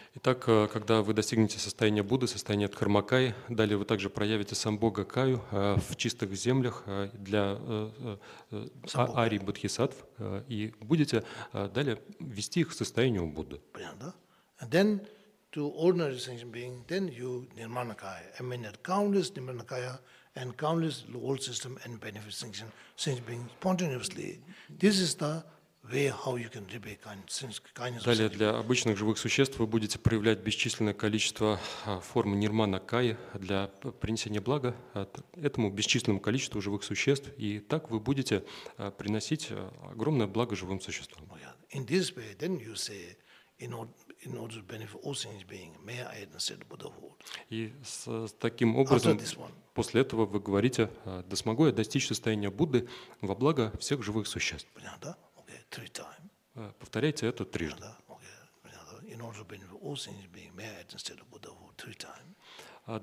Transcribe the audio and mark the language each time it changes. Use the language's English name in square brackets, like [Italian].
[Russian] Итак, когда вы достигнете состояния Будды, состояния Дхармакаи, далее вы также проявите Самбхогакаю в чистых землях для арий бодхисаттв и будете далее вести их к состоянию Будды. Понятно, да? [English] And then to ordinary sentient being, then you nirmanakaya, emanate countless nirmanakaya and countless world system and benefit sentient being spontaneously. This is the way how you can repay kindness. [Russian] Далее для обычных живых существ вы будете проявлять бесчисленное количество формы нирмана кая для принесения блага этому бесчисленному количеству живых существ, и так вы будете приносить огромное благо живым существам. [English] In this way, then you say, in order to benefit all sentient beings, may I enter the Buddhahood. [Russian] И с таким образом, после этого вы говорите: да смогу я достичь состояния Будды во благо всех живых существ. Понятно, да? [English] Three times. [Russian] Повторяйте это трижды. [English] In order to benefit all sentient beings, may I attain the state of Buddhahood three times.